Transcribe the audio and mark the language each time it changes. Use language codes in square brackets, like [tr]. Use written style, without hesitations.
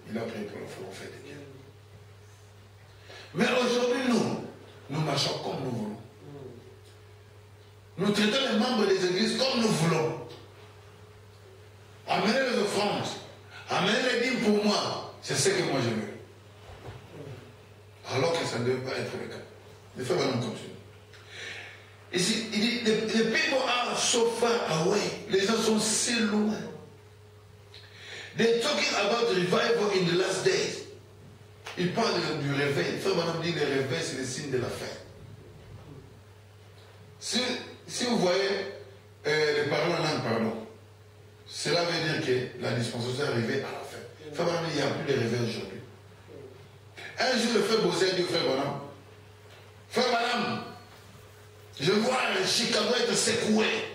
[fr] Il a prié pour le prophète de Dieu. Mais aujourd'hui, nous marchons comme nous voulons. Nous traitons les membres des églises comme nous voulons. Amenez les offrandes. Amenez les dîmes pour moi. C'est ce que moi je veux. Alors que ça ne devait pas être le cas. Le frère Branham continue. Ici, il dit, les [en] people are so far away. [fr] Les gens sont si loin. [en] They're talking about revival in the last days. [fr] Il parle du réveil. Le frère Branham dit, le réveil, c'est le signe de la fin. Si vous voyez les paroles en langue, pardon, cela veut dire que la dispensation est arrivée à la fin. Frère Branham, il n'y a plus de réveil aujourd'hui. Un jour, le frère Bosé a dit au frère Branham, frère Branham, je vois le Chicago être secoué.